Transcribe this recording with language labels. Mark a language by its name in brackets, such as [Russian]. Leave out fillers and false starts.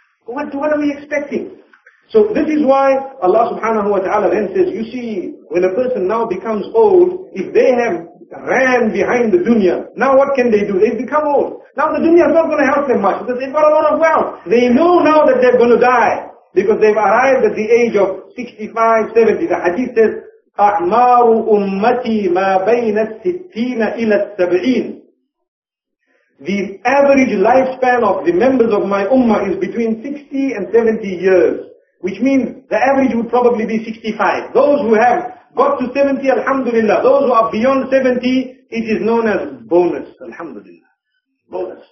[English] What are we expecting? So this is why Allah subhanahu wa ta'ala then says, you see, when a person now becomes old, if they have ran behind the dunya, now what can they do? They've become old. Now the dunya is not going to help them much because they've got a lot of wealth. They know now that they're going to die. Because they've arrived at the age of 65, 70. The hadith says, [Arabic] أَعْمَارُ أُمَّتِي مَا بَيْنَ السِّتِينَ إِلَى السَّبْعِينَ. [English] The average lifespan of the members of my ummah is between 60 and 70 years. Which means the average would probably be 65. Those who have got to 70, alhamdulillah. Those who are beyond 70, it is known as bonus, alhamdulillah. Bonus.